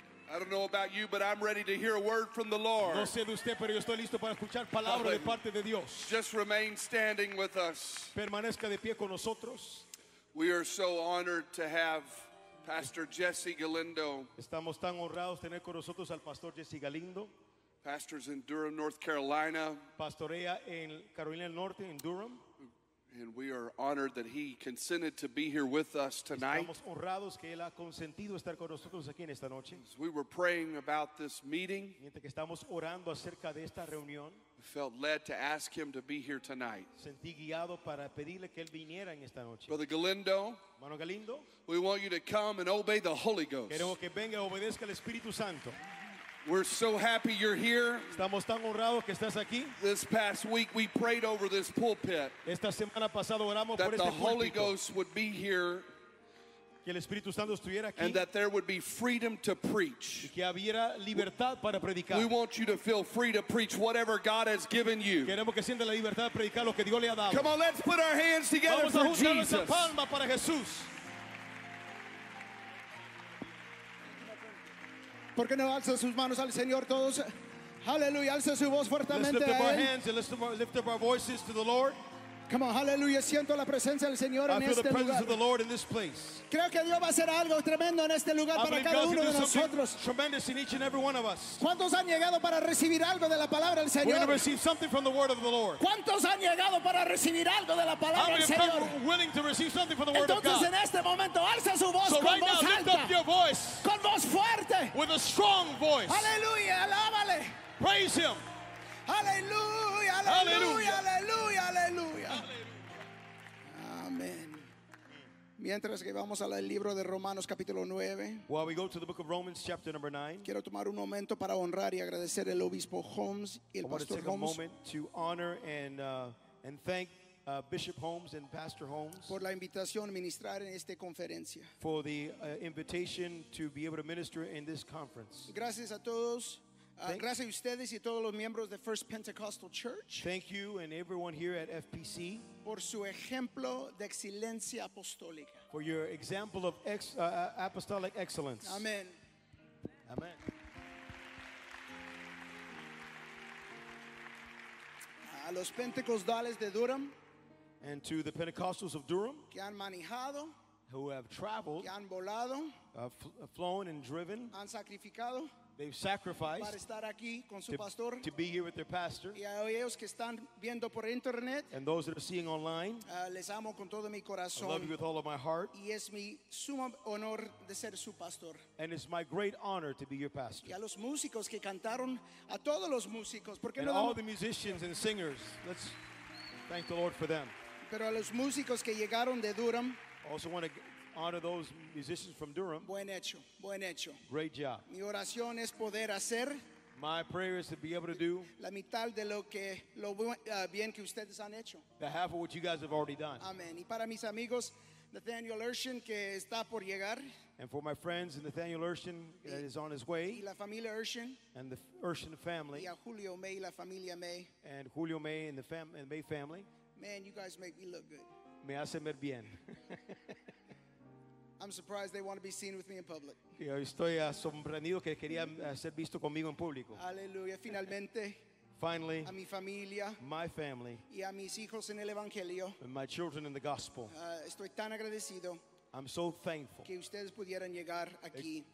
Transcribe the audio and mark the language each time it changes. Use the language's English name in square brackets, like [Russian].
[English] I don't know about you, but I'm ready to hear a word from the Lord. [Spanish] No sé de usted, pero yo estoy listo para escuchar palabra de parte de Dios. [English] Just remain standing with us. [Spanish] Permanezca de pie con nosotros. [English] We are so honored to have Pastor Jesse Galindo. [Spanish] Estamos tan honrados tener con nosotros al Pastor Jesse Galindo. [English] Pastors in Durham, North Carolina. [Spanish] Pastorea en Carolina del Norte, en Durham. [English] And we are honored that he consented to be here with us tonight. [Spanish] Estamos honrados que él ha consentido estar con nosotros aquí en esta noche. [English] As we were praying about this meeting, [Spanish] mientras que estamos orando acerca de esta reunión, [English] we felt led to ask him to be here tonight. [Spanish] Sentí guiado para pedirle que él viniera en esta noche. [English] Brother Galindo, [Spanish] Mano Galindo, [English] we want you to come and obey the Holy Ghost. [Spanish] Queremos que venga y obedezca al Espíritu Santo. [English] We're so happy you're here. [Spanish] Estamos tan honrados que estás aquí. [English] This past week we prayed over this pulpit. [Spanish] Esta semana pasada oramos [English] that [Spanish] por [English] the [Spanish] este [English] Holy [Spanish] púlpito. [English] Ghost would be here. [Spanish] Que el Espíritu Santo estuviera aquí. [English] And that there would be freedom to preach. [Spanish] Y que hubiera libertad para predicar. [English] We want you to feel free to preach whatever God has given you. [Spanish] Queremos que sienta la libertad de predicar lo que Dios le ha dado. [English] Come on, let's put our hands together [Spanish] Vamos [English] for [Spanish] a juntar [English] Jesus. [Spanish] Nuestra palma para Jesús. ¿Por qué no alza sus manos al Señor todos? Aleluya, alza su voz fuertemente. [English] Let's lift up our hands and lift up our voices to the Lord. Come on, [Spanish] aleluya, siento la presencia del Señor en este lugar. [English] I feel the presence of the Lord in this place. [Spanish] Creo que Dios va a hacer algo tremendo en este lugar para cada uno de nosotros. [English] Tremendous in each and every one of us. [Spanish] ¿Cuántos han llegado para recibir algo de la palabra del Señor? [English] We're going to receive something from the word of the Lord. [Spanish] ¿Cuántos han llegado para recibir algo de la palabra del Señor? [English] I'm willing to receive something from the word of God. [Spanish] Entonces en este momento alza su voz [English] so [Spanish] con [English] right [Spanish] voz [English] now, [Spanish] alta. [English] Lift up your voice. [Spanish] Con voz fuerte. [English] With a strong voice. [Spanish] Aleluya, alábale. [English] Praise him. [Spanish] Aleluya, aleluya, aleluya, aleluya. Amén. Mientras que vamos al libro de Romanos capítulo 9, [English] while we go to the book of Romans chapter number 9, [Spanish] quiero tomar un momento para honrar y agradecer al obispo Holmes y el pastor Holmes. [English] I want to take a moment to honor and thank Bishop Holmes and Pastor Holmes [Spanish] por la invitación a ministrar en esta conferencia. [English] For the invitation to be able to minister in this conference. [Spanish] Gracias a todos. Gracias a ustedes y todos los miembros de First Pentecostal Church. [English] Thank you and everyone here at FPC [Spanish] por su ejemplo de excelencia apostólica. [English] For your example of apostolic excellence. Amen. Amen. [Spanish] A los pentecostales de Durham [English] and to the Pentecostals of Durham [Spanish] que han manejado, [English] who have traveled, [Spanish] que han volado, [English] flown and driven, [Spanish] han sacrificado. [English] They've sacrificed [Spanish] para estar aquí con su [English] to be here with their pastor. [Spanish] Y a ellos que están viendo por internet, [English] and those that are seeing online, [Spanish] les amo con todo mi corazón. [English] I love you with all of my heart. [Spanish] Y es mi sumo honor de ser su pastor. [English] And it's my great honor to be your pastor. [Spanish] Y a los músicos que cantaron, a todos los músicos, ¿por qué [English] and [Spanish] no [English] all the musicians and singers. Let's thank the Lord for them. [Spanish] Pero a los músicos que llegaron de Durham, [English] also want to honor those musicians from Durham. [Spanish] Buen hecho, buen hecho. [English] Great job. [Spanish] Mi oración es poder hacer. [English] My prayer is to be able to do [Spanish] la mitad de lo que lo bien que ustedes han hecho. [English] The half of what you guys have already done. [Spanish] Amen. Y para mis amigos Nathaniel Urshan que está por llegar. [English] And for my friends Nathaniel Urshan that is on his way. [Spanish] Y la familia Urshan. [English] And the Urshan family. [Spanish] Y a Julio May y la familia May. [English] And Julio May and the May family. Man, you guys make me look good. [Spanish] Me hacen ver bien. [English] I'm surprised they want to be seen with me in public. [Spanish] Yo estoy asombrado que querían ser visto conmigo en público. Aleluya, finalmente. [English] Finally. [Spanish] A mi familia. [English] My family. [Spanish] Y a mis hijos en el evangelio. [English] And my children in the gospel. [Spanish] Estoy tan agradecido. [English] I'm so thankful. [Spanish] Que ustedes pudieran llegar aquí.